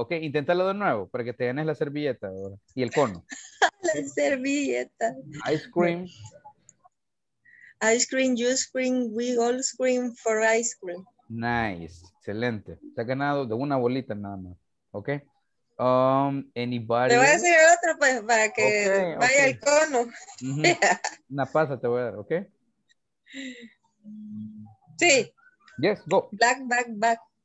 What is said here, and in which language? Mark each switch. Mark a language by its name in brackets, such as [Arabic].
[Spanish] Ok, inténtalo de nuevo para que te ganes la servilleta ahora. Y el cono. La servilleta. [English] Ice cream. Ice cream, you scream, we all scream for ice cream. [Spanish] Nice, excelente. Te ha ganado de una bolita nada más. [English] Ok. Anybody. [Spanish] Te voy a decir otro pues, para que okay, vaya okay. El cono. Uh-huh. Una pasa te voy a dar, ok. Sí. [English] Yes, go. Black, black, black.